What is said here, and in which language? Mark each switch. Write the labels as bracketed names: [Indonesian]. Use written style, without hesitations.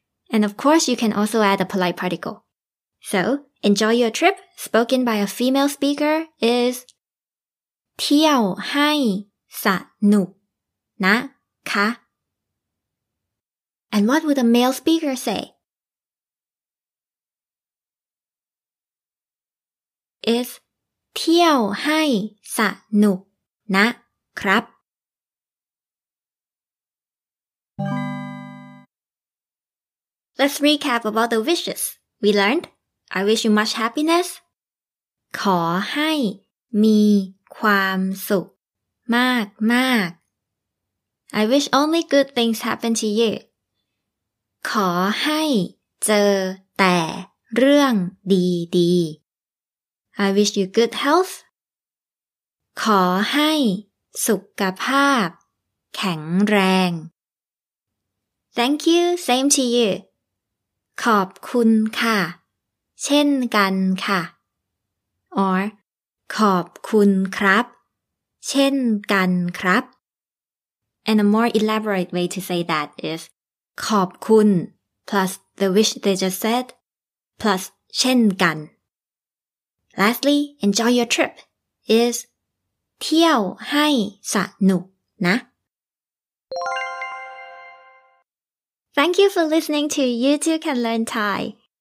[English] And of course, you can also add a polite particle. So, enjoy your trip, spoken by a female speaker is [Thai] เที่ยวให้สนุกนะคะ [English] And what would a male speaker say? It's [Thai] เที่ยวให้สนุกนะครับ [English] Let's recap about the wishes. We learned, I wish you much happiness. [Thai] ขอให้มีความสุขมากมาก [English] I wish only good things happen to you. [Thai] ขอให้เจอแต่เรื่องดีๆ [English] I wish you good health [Thai] ขอให้สุขภาพแข็งแรง [English] Thank you, same to you [Thai] ขอบคุณค่ะเช่นกันค่ะ Or ขอบคุณครับเช่นกันครับ [English] And a more elaborate way to say that is ขอบคุณ plus the wish they just said plus เช่นกัน Lastly, enjoy your trip is [Thai] เที่ยวให้สนุกนะ [English] Thank you for listening to You Too Can Learn Thai.